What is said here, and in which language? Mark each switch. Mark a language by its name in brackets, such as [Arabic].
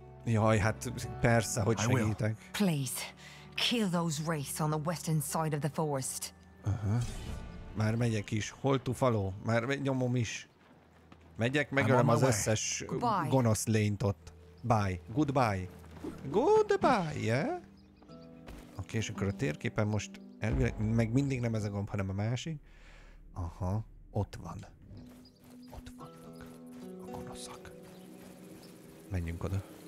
[Hungarian] Jaj, hát persze, hogy segítek. [English] Please. Kill those wraiths on the western side of the forest. [Hungarian] Már megyek is. Hol tú faló? Már nyomom is. Megyek, megölöm az összes gonosz lényt ott. [English] Bye. Goodbye. Goodbye, yeah? [Hungarian] Oké, és akkor a térképen most elvileg, meg mindig nem ez a gomb, hanem a másik. Aha, ott van. Ott vannak a gonoszak. Menjünk oda.